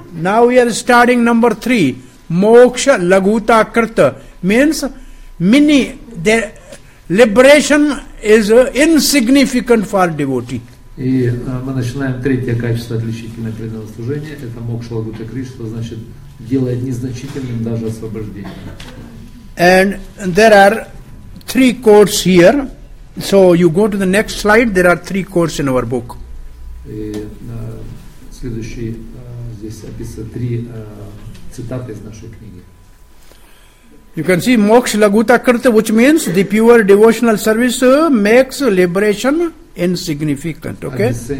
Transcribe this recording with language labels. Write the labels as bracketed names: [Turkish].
[English] Now we are starting number three. Moksha laguta krta means mini, the liberation is insignificant for devotee. [Russian] И мы начинаем третье качество отличительное преданного служения. Это мокша лагута кришна, значит, делает незначительным даже освобождение. [English] And there are three codes here. So you go to the next slide, there are three codes in our book. [Russian] И следующий здесь описан три цитаты из нашей книги. [English] You can see moksha laguta krta, which means the pure devotional service makes liberation insignificant, okay?